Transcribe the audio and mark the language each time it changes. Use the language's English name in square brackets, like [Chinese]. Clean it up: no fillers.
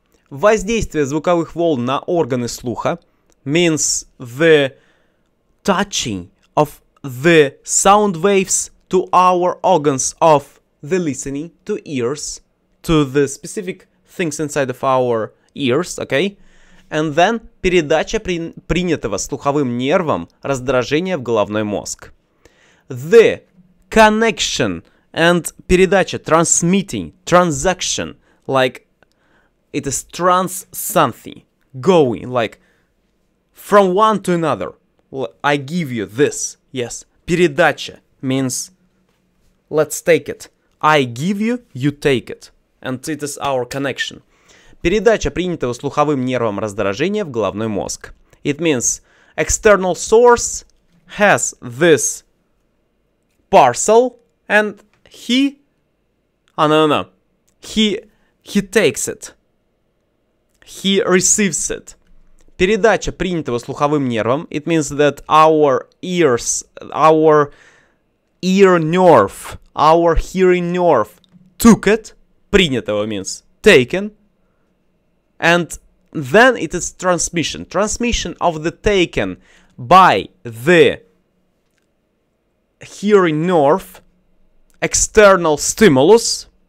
[Russian] Воздействие звуковых волн на органы слуха. [English] Means the touching of the sound waves to our organs of the listening, to ears, to the specific things inside of our ears, okay? And then, [Russian] передача принятого слуховым нервом раздражения в головной мозг. [English] The connection and передача, transmitting, transaction, like, it is trans something, going, like, from one to another. I give you this, yes. Передача means, let's take it. I give you, you take it. And it is our connection. [Russian] Передача принятого слуховым нервом раздражения в головной мозг. [English] It means external source has this parcel and he... No. He takes it. He receives it. [Russian] Передача принятого слуховым нервом. [English] It means that our ears, our... ear nerve, our hearing nerve, took it, принятого means taken, and then it is transmission. Transmission of the taken by the hearing nerve, external stimulus,